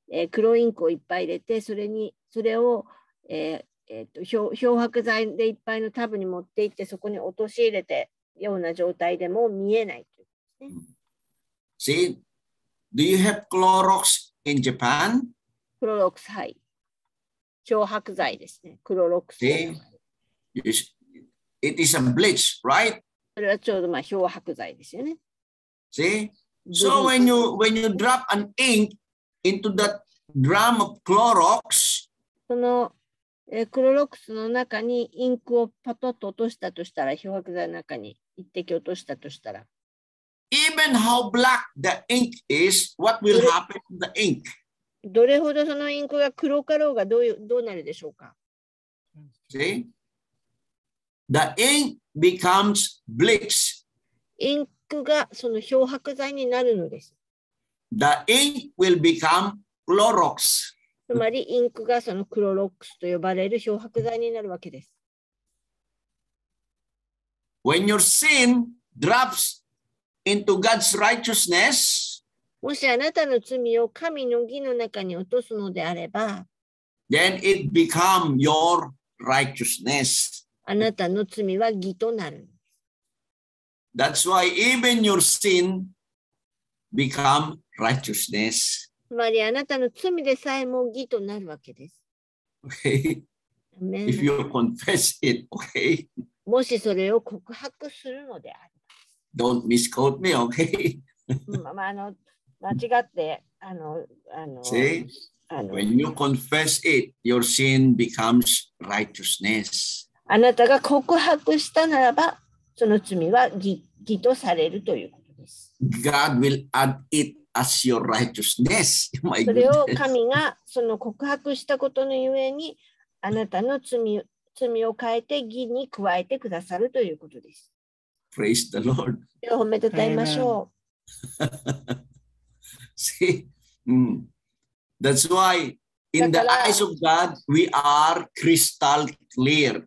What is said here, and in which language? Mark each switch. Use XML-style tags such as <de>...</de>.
<ja>黒インクをいっぱい入れて、それを、漂白剤でいっぱいのタブに持っていって、そこに落とし入れてような状態でも見えないというですね。</ja> <en>See, do you have Clorox in Japan?</en> <ja>クロロックス、はい。漂白剤ですね。クロロックス。</ja> <en>See, it is a bleach, right?</en> <ja>それはちょうどまあ漂白剤ですよね。</ja> <en>See, so when you drop an ink into that drum of Clorox,</en> <ja>その、クロロックスの中にインクをパトッと落としたとしたら、漂白剤の中に一滴落としたとしたら、</ja> <en>Even how black the ink is, what will happen to the ink?</en> <ja>どれほどそのインクが黒かろうがどうなるでしょうか。</ja> <en>See, the ink becomes bleach.</en> <ja>インクがその漂白剤になるのです。</ja> <en>The ink will become Clorox.</en> <ja>つまりインクがそのクロロックスと呼ばれる漂白剤になるわけです。</ja> <en>When your sin drops into God's righteousness,</en> <ja>もしあなたの罪を神の義の中に落とすのであれば、</ja> <en>then it become your righteousness.</en> <ja>あなたの罪は義となる。</ja> <en>That's why even your sin become righteousness.</en> <ja>つまりあなたの罪でさえも義となるわけです。</ja> <en>Okay. If you confess it, okay.</en> <ja>もしそれを告白するのであれば、</ja> <en>Don't misquote me, okay?</en> <ja>まあ、間違って、</ja> <en>See? When you confess it, your sin becomes righteousness.</en> <ja>あなたが告白したならば、その罪は義とされるということです。</ja> <en>God will add it as your righteousness.</en> <ja>それを神がその告白したことのゆえに、あなたの罪を変えて義に加えてくださるということです。</ja> <en>Praise the Lord.</en> <ja>褒めてたいましょう。</ja> <en>See, that's why in the eyes of God, we are crystal clear.</en>